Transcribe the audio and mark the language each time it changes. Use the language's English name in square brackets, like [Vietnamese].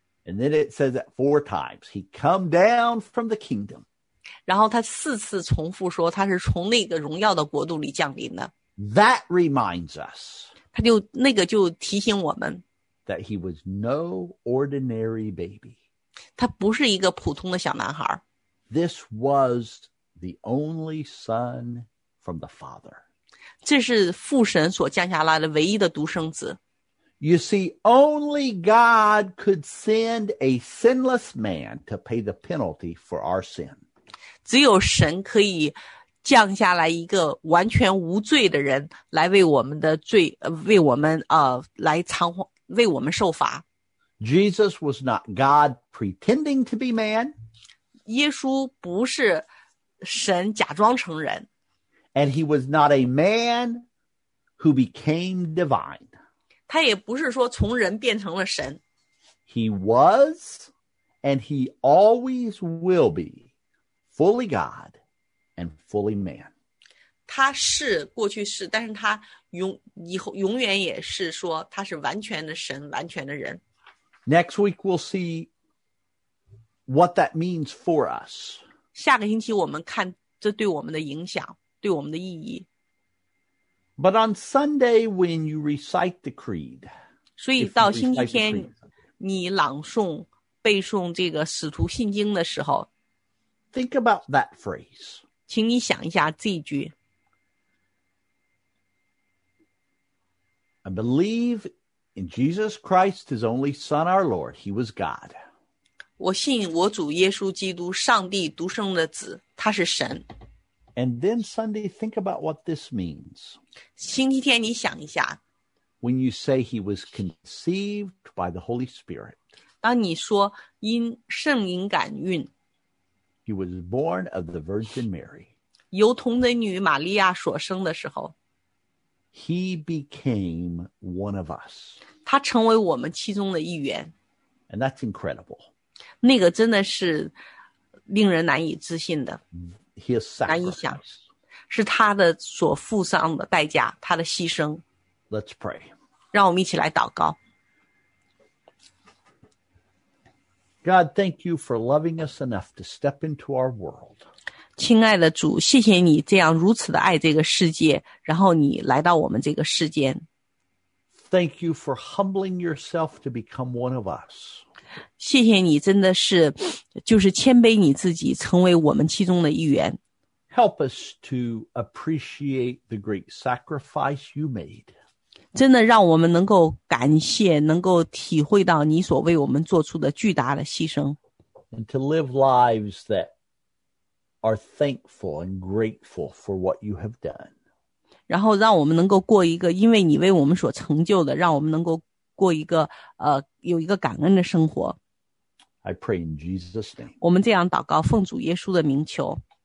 [English] And then it says that four times. He come down from the kingdom. [Chinese] 然后他四次重复说他是从那个荣耀的国度里降临的。 [English] That reminds us. [Chinese] 他就那个就提醒我们。 [English] That he was no ordinary baby. [Chinese] 他不是一个普通的小男孩。 [English] This was the only son from the father. [Chinese] 这是父神所降下来的唯一的独生子。 [English] You see, only God could send a sinless man to pay the penalty for our sin. [Chinese] 只有神可以降下来一个完全无罪的人来为我们的罪，为我们来偿还，为我们受罚。 [English] Jesus was not God pretending to be man. [Chinese] 耶稣不是神假装成人。 [English] And he was not a man who became divine. [Chinese] 他也不是说从人变成了神。 [English] He was and he always will be fully God and fully man. [Chinese] 他是过去是但是他 永远也是说他是完全的神完全的人。 [English] Next week we'll see what that means for us. [Chinese] 下个星期我们看这对我们的影响，对我们的意义。 [English] But on Sunday, when you recite the creed, [Chinese] 所以到星期天，你朗诵、背诵这个使徒信经的时候， [English] Think about that phrase. [Chinese] 请你想一下这一句。 [English] I believe in Jesus Christ, his only Son, our Lord. He was God. [Chinese] 我信我主耶稣基督，上帝独生的子，他是神。 [English] And then Sunday, think about what this means. [Chinese] 星期天你想一下。 [English] When you say he was conceived by the Holy Spirit. [Chinese] 当你说因圣灵感孕。 [English] He was born of the Virgin Mary. [Chinese] 由童贞女玛利亚所生的时候。 [English] He became one of us. [Chinese] 他成为我们其中的一员。 [English] And that's incredible. [Chinese] 那个真的是令人难以置信的。 [English] His sacrifice. [Chinese] 难以想，是他的所付上的代价，他的牺牲。 [English] Let's pray. [Chinese] 让我们一起来祷告。 [English] God, thank you for loving us enough to step into our world. [Chinese] 亲爱的主，谢谢你这样如此的爱这个世界，然后你来到我们这个世间。 [English] Thank you for humbling yourself to become one of us. [Chinese] 谢谢你真的是就是谦卑你自己成为我们其中的一员。 [English] Help us to appreciate the great sacrifice you made. [Chinese] 真的让我们能够感谢，能够体会到你所为我们做出的巨大的牺牲。 [English] And to live lives that are thankful and grateful for what you have done. [Chinese] 然后让我们能够过一个因为你为我们所成就的，让我们能够过一个有一个感恩的生活。 [English] I pray in Jesus' name. [Chinese] 我们这样祷告，奉主耶稣的名求。